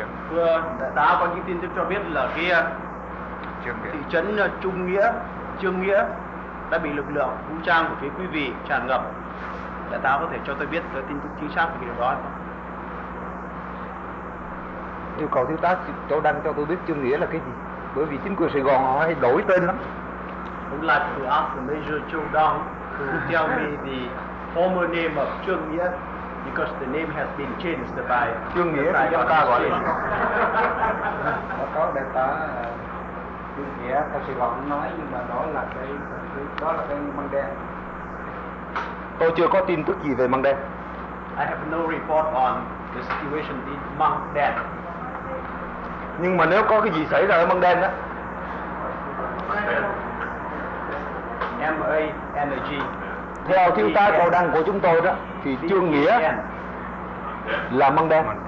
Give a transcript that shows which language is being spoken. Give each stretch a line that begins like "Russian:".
Vietnamese: Vừa đại tá có những tin tức cho biết là kia thị trấn Trung Nghĩa, Trương Nghĩa đã bị lực lượng vũ trang của phía quý vị tràn ngập. Đại tá có thể cho tôi biết tin tức chính xác về điều đó không? Yêu cầu thiếu tá cho đăng cho tôi biết Trương Nghĩa là cái gì? Bởi vì chính quyền Sài Gòn họ hay đổi tên lắm.
English: Would like to ask the Major Châu Đăng to tell me the former name of Trương Nghĩa, because the name has been changed by
Vietnamese: Trương Nghĩa thì chúng ta gọi là có đại tá Trương Nghĩa, ta chỉ gọi nói, nhưng mà đó là cái Măng Đen. Tôi chưa có tin tức gì về Măng Đen.
English: I have no report on the situation in Măng Đen.
Vietnamese: Nhưng mà nếu có cái gì xảy ra ở Măng Đen đó, M-A-N-G. Theo thiếu tá cầu đăng của chúng tôi đó, thì Trương Nghĩa là Măng Đen.